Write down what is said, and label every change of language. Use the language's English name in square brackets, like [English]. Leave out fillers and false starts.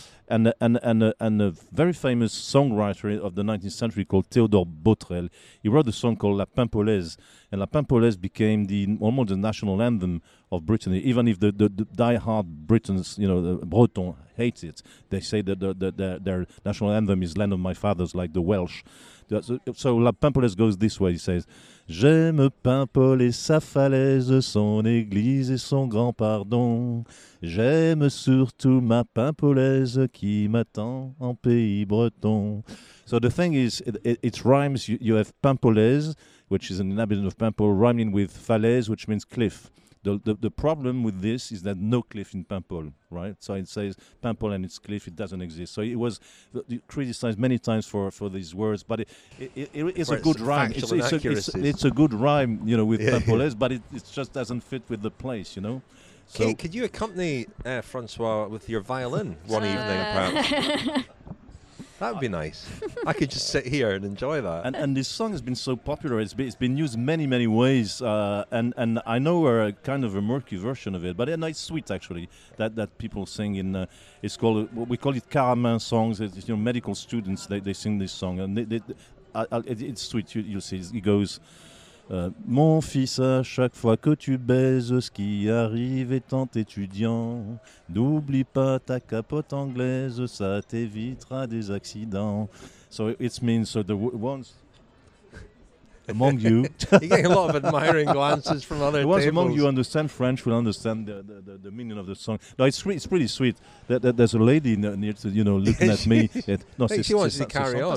[English] And a very famous songwriter of the 19th century called Théodore Botrel, he wrote a song called La Paimpolaise. And La Paimpolaise became almost the national anthem of Brittany, even if the die-hard Britons, you know, the Breton, hate it. They say that their national anthem is Land of My Fathers, like the Welsh. So La Paimpolaise goes this way, he says. [French] J'aime Paimpol et sa falaise, son église et son grand pardon. J'aime surtout ma Paimpolaise qui m'attend en pays breton. [English] So the thing is, it rhymes. You have Paimpolaise, which is an inhabitant of Paimpol, rhyming with falaise, which means cliff. The problem with this is that no cliff in Paimpol, right? So it says Paimpol and its cliff, it doesn't exist. So it was criticized many times for these words, but it's a good rhyme. It's a good rhyme, you know, with Paimpolaise, yeah. But it just doesn't fit with the place, you know? So could you accompany Francois with your violin one evening, perhaps? That would be nice. I could just sit here and enjoy that. And this song has been so popular. It's been used many, many ways. And I know we're a kind of a murky version of it, but it's sweet, actually, that people sing in... it's called... We call it Caramin songs. It's, you know, medical students, they sing this song. And it's sweet, you'll see. It goes... [French] Mon fils, à chaque fois que tu baises, ce qui arrive étant étudiant, n'oublie pas ta capote anglaise, ça t'évitera des accidents. [English] So it means, so the ones among you. You're getting a lot of admiring glances from other tables. The ones among you understand French will understand the meaning of the song. No, it's pretty sweet. There's a lady near to, you know, looking at me. No, hey, she wants to carry on.